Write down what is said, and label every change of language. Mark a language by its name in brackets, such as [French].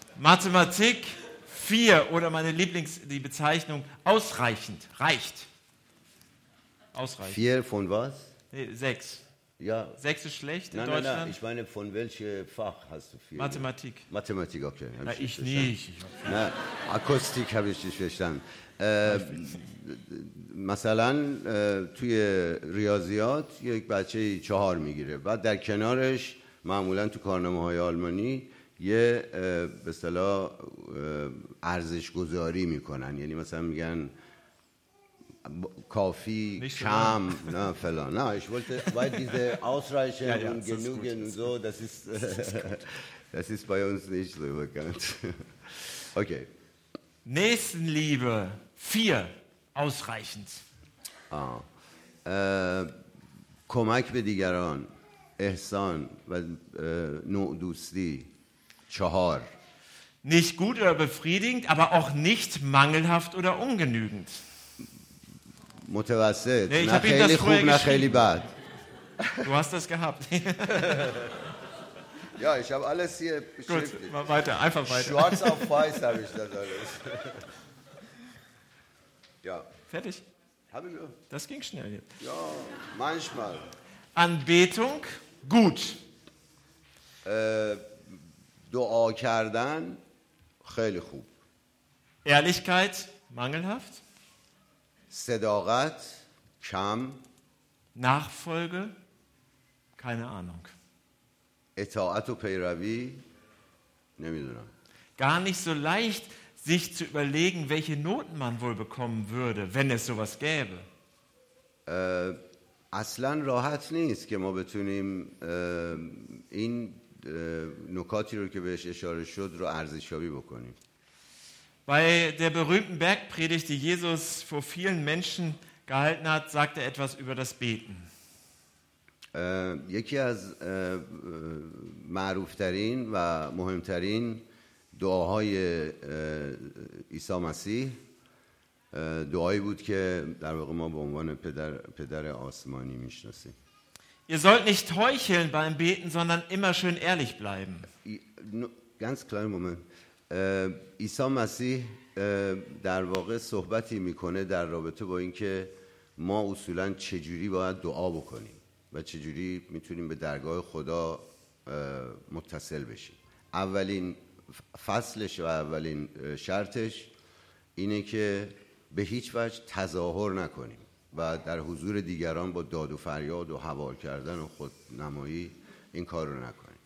[German] Mathematik 4 oder meine Lieblings die Bezeichnung ausreichend, reicht. Ausreichend. 4 von was? 6. Nee, ja. 6 ist schlecht in Deutschland. Nein, ich meine, von welchem Fach hast du 4? Mathematik. Ja. Mathematik, okay. Na, ich nicht. Na, Akustik habe ich nicht verstanden. [Persian] مثلا توی ریاضیات یک بچه 4 میگیره و در کنارش معمولا تو کارنامه های آلمانی یه به اصطلاح ارزش گذاری میکنن، یعنی مثلا میگن کافی کم نه فلان نه [German] ich wollte weil diese ausreichend und genügend und so das ist bei uns nicht so bekannt. Okay. Nächstenliebe 4 ausreichend. [Persian] کمک به دیگران، احسان و نوع دوستی 4. [German] Nicht gut oder befriedigend, aber auch nicht mangelhaft oder ungenügend. [Persian] متوسط، نه خیلی خوب نه خیلی بد. [German] Du hast das gehabt. Ja, ich habe alles hier beschrieben. Gut, weiter, einfach weiter. Schwarz auf weiß habe ich das alles. Ja. Fertig. Habe ich. Das ging schnell hier. Ja, manchmal. Anbetung, gut. [Persian] Dua kerdan, خیلی خوب. [German] Ehrlichkeit, mangelhaft. [Persian] Sedaqat, kam. [German] Nachfolge, keine Ahnung. [Persian] اطاعت و پیروی نمیدونم. [German] Gar nicht so leicht sich zu überlegen, welche Noten man wohl bekommen würde, wenn es sowas gäbe. [Persian] اصلاً راحت نیست که ما بتونیم این نکاتی رو که بهش اشاره شد رو ارزشیابی بکنیم. [German] Bei der berühmten Bergpredigt, die Jesus vor vielen Menschen gehalten hat, sagt er etwas über das Beten. [Persian] یکی از معروفترین و مهمترین دعاهای عیسی مسیح دعایی بود که در واقع ما به عنوان پدر آسمانی میشناسیم. [German] Ihr sollt nicht heucheln beim Beten, sondern immer schön ehrlich bleiben. Ganz kleiner Moment. [Persian] عیسی مسیح در واقع صحبتی میکنه در رابطه با اینکه ما اصولا چجوری باید دعا بکنیم و چجوری میتونیم به درگاه خدا متصل بشیم. اولین فصلش و اولین شرطش اینه که به هیچ وجه تظاهر نکنیم و در حضور دیگران با داد و فریاد و حوال کردن و خود نمایی این کار رو نکنیم.